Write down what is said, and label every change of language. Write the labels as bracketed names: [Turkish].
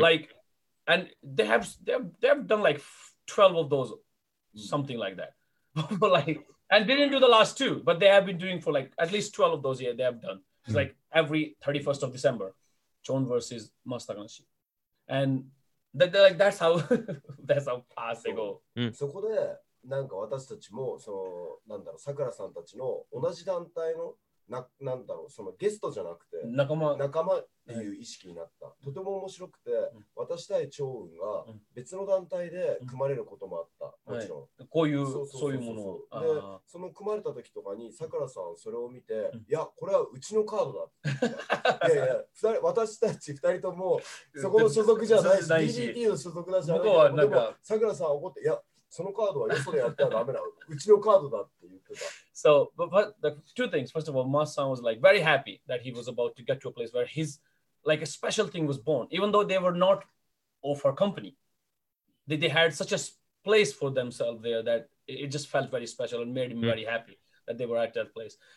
[English] Like, and they have done like 12 of those, something like that. But like, and they didn't do the last two, but they have been doing for like at least 12 of those, yeah, they have done. It's like every 31st of December, Chon versus Masa Takanashi. And Like, that's how that's how fast they go. [Japanese] そこでなんか私たちもそのなんだろう、さくらさんたちの同じ団体のなんだろう、そのゲストじゃなくて仲間っていう意識になった。とても面白くて、私たち長運が別の団体で組まれることもあった。もちろんこういうそういうものでその組まれた時とかにさくらさんそれを見て、いやこれはうちのカードだ、いやいや私たち2人ともそこの所属じゃないし、 DDT の所属だじゃない。僕はなんかさくらさん怒って、いやそのカードはよそでやったらダメだ、うちのカードだって言ってた。 [English] So, but the two things. First of all, Masa was like very happy that he was about to get to a place where his, like a special thing was born. Even though they were not of our company, they had such a place for themselves there that it just felt very special and made him very happy that they were at that place.